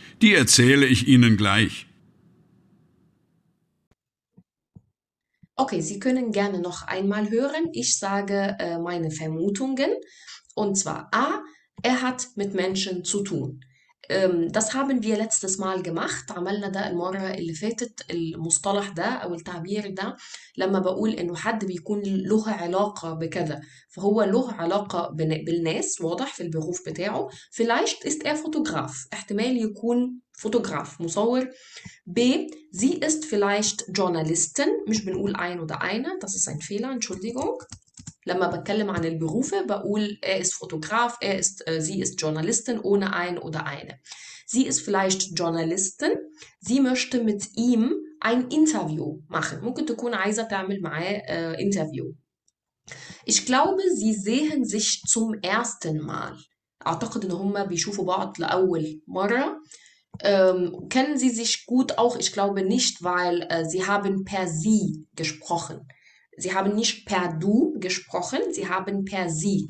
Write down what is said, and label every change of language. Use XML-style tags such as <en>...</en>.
<de>Die erzähle ich Ihnen gleich. Okay, Sie können gerne noch einmal hören. Ich sage meine Vermutungen. Und zwar A, er hat mit Menschen zu tun. Das haben wir letztes Mal gemacht.</de> <ar>عملنا ده المرة اللي فاتت المصطلح ده أو التعبير ده لما بقول إنه حد بيكون له علاقة بكذا فهو له علاقة بالناس واضح في البروف بتاعه</ar> <de>Vielleicht ist er Fotograf</de> <ar>احتمال يكون فوتوغراف مصور B.</ar> <de>Sie ist vielleicht Journalistin</de> <ar>مش بنقول</ar> <de>ein oder eine Das ist ein Fehler, Entschuldigung</de> <ar>لما بتكلم عن البروفة بقول</ar> <de>er ist Fotograf, sie ist Journalistin ohne ein oder eine. Sie ist vielleicht Journalistin. Sie möchte mit ihm ein Interview machen.</de> <ar>ممكن تكون عايزة تعمل معاه Interview.</ar> <de>Ich glaube, sie sehen sich zum ersten Mal.</de> <ar>أعتقد إن هما بيشوفوا بعض لأول مرة.</ar> <de>Kennen sie sich gut auch? Ich glaube nicht, weil sie haben per sie gesprochen. Sie haben nicht per du gesprochen, sie haben per sie.</de>